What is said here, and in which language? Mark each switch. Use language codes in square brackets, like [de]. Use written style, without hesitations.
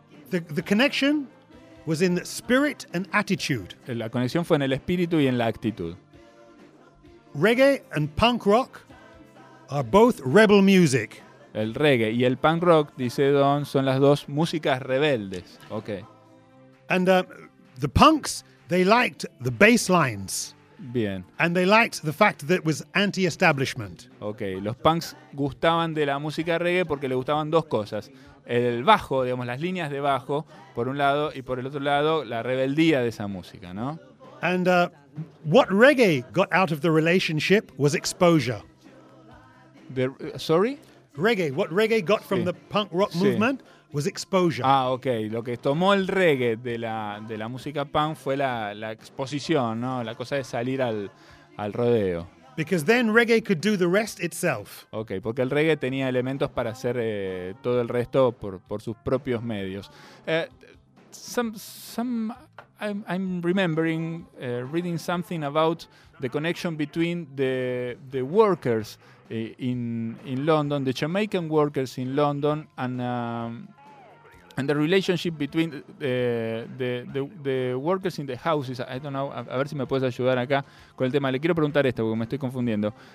[en] The connection was in the spirit and attitude. [es] La conexión fue en el espíritu y en la actitud. [en] Reggae and punk rock are both rebel music. [es] El reggae y el punk rock, dice Don, son las dos músicas rebeldes. [en] Okay. And the punks, they liked the bass lines. [es] Bien. [en] And they liked the fact that it was anti-establishment. Okay. [es] Los punks gustaban de la música reggae porque le gustaban dos cosas. El bajo, digamos, las líneas de bajo, por un lado, y por el otro lado, la rebeldía de esa música, ¿no? [en] And what reggae got out of the relationship was exposure. Reggae, what reggae got from the punk rock movement was exposure. Ah, okay. [es] Lo que tomó el reggae de la música punk fue la exposición, ¿no? La cosa de salir al rodeo. [en] Because then reggae could do the rest itself. [es] Okay, porque el reggae tenía elementos para hacer todo el resto por sus propios medios. [en] I'm remembering reading something about the connection between the workers in London, the Jamaican workers in London, and the relationship between the workers in the houses. I don't know. [es] A ver si me puedes ayudar acá con el tema. Le quiero preguntar esto porque me estoy confundiendo.